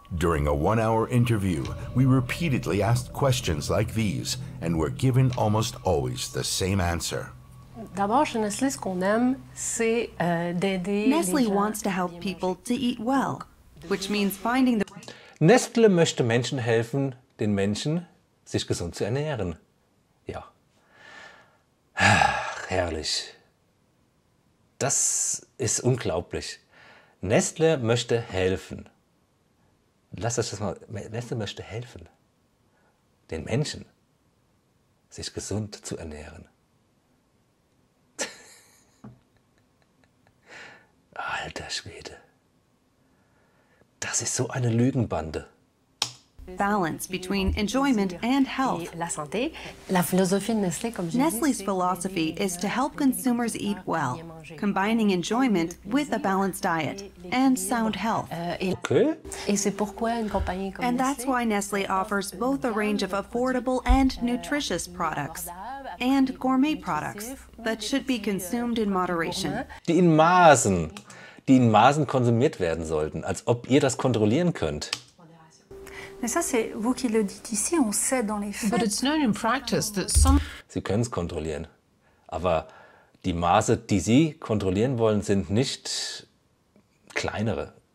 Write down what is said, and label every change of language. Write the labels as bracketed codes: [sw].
[en] During a one-hour interview, we repeatedly asked questions like these and were given almost always the same answer. Nestle wants to help people to eat well, which means finding the... [de] Nestle möchte Menschen helfen, den Menschen sich gesund zu ernähren. Ja. Ach, herrlich. Das ist unglaublich. Nestle möchte helfen. Lass euch das mal... Nestle möchte helfen, den Menschen sich gesund zu ernähren. Alter Schwede. Das ist so eine Lügenbande. [en] Balance between enjoyment and health. [fr] La santé, la philosophie de Nestlé, comme je [en] Nestlé's philosophy is to help consumers eat well, combining enjoyment with a balanced diet and sound health. Okay. [fr] Et c'est pourquoi une compagnie comme [en] and that's why Nestlé offers both a range of affordable and nutritious products and gourmet products that should be consumed in moderation. [de] Die in Maßen konsumiert werden sollten, als ob ihr das kontrollieren könnt. [en] But it's known in practice that some... [de] Sie können es kontrollieren. Aber die Maße, die Sie kontrollieren wollen, sind nicht kleinere.